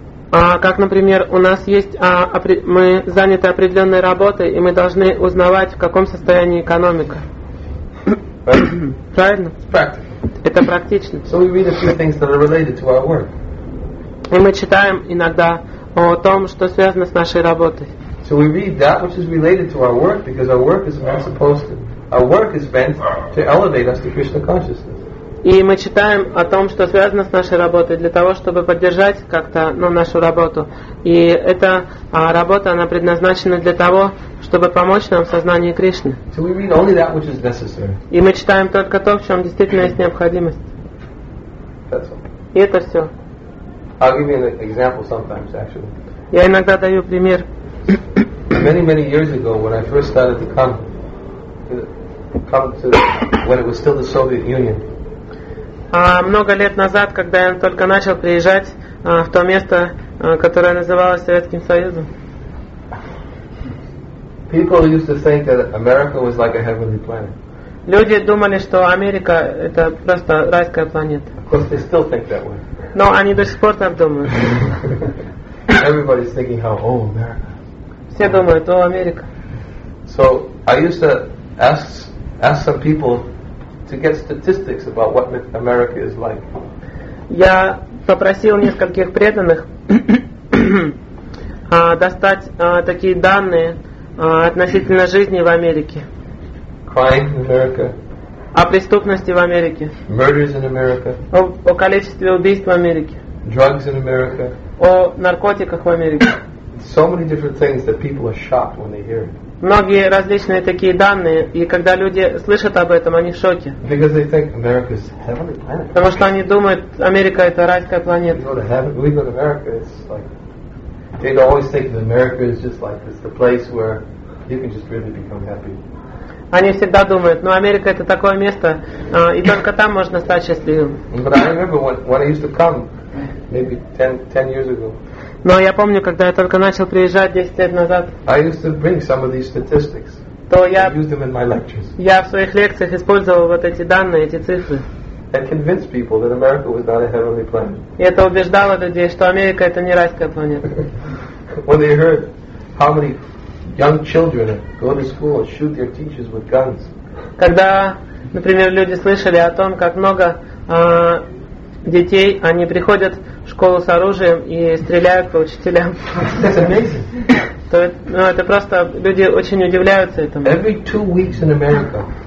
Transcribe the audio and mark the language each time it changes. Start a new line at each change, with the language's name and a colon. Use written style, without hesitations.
Russian: Как, например, у нас есть мы заняты определенной работой, и мы должны узнавать, в каком состоянии экономика.
English: Right?
Russian: Правильно?
English: It's practical.
Russian: Это практично.
English: So we read a few things that are related to our work.
Russian: И мы читаем иногда о том, что связано с нашей работой.
English: So we read that which is related to our work, because our work is not supposed to. Our work is meant to elevate us to Krishna consciousness.
Russian: И мы читаем о том, что связано с нашей работой для того, чтобы поддержать как-то, ну, нашу работу. И эта работа, она предназначена для того, чтобы помочь нам в сознании Кришны.
English: So we read only that which is necessary.
Russian: И мы читаем только то, в чем действительно есть необходимость.
English: That's all.
Russian: И это все.
English: I'll give you an example sometimes, actually.
Russian: Я иногда даю пример.
English: Many, many years ago, when I first started to come to when it was still the Soviet Union.
Russian: Много лет назад, когда я только начал приезжать в то место, которое называлось Советским Союзом.
English: People used to think that America was like a heavenly planet.
Russian: Люди думали, что Америка это просто райская планета.
English: Of course, they still think that way.
Russian: Но они до сих пор так думают.
English: Everybody's thinking how old America.
Russian: Все думают, о, Америка.
English: So I used to ask some people to get statistics about what America is like.
Russian: Я попросил нескольких преданных достать такие данные Относительно жизни в Америке.
English: Crime in America.
Russian: О преступности в Америке.
English: Murders in America.
Russian: О количестве убийств в Америке.
English: Drugs in America.
Russian: О наркотиках в Америке.
English: So many different things that people are shocked when they hear it.
Russian: Многие различные такие данные, и когда люди слышат об этом, они в шоке.
English: Because they think America is heavenly planet.
Russian: Потому что они думают, Америка это райская планета.
English: You go to heaven, we go to America, it's like they always think that America is just like it's the place where you can just really become happy.
Russian: Они всегда думают, ну Америка это такое место, и только там можно стать счастливым.
English: But I remember when I used to come, maybe 10 years ago.
Russian: Но я помню, когда я только начал приезжать 10 лет назад,
English: I used to bring some of these statistics,
Russian: то я,
English: use them in my lectures.
Russian: Я в своих лекциях использовал вот эти данные, эти цифры.
English: And convinced people that America was not a heavenly planet.
Russian: И это убеждало людей, что Америка это не райская планета.
English: When they heard how many young children go to school and shoot their teachers with guns.
Russian: Когда, например, люди слышали о том, как много детей, они приходят в школу с оружием и стреляют по учителям.
English: That's amazing.
Russian: То, ну, это просто люди очень удивляются этому.
English: Every 2 weeks in America.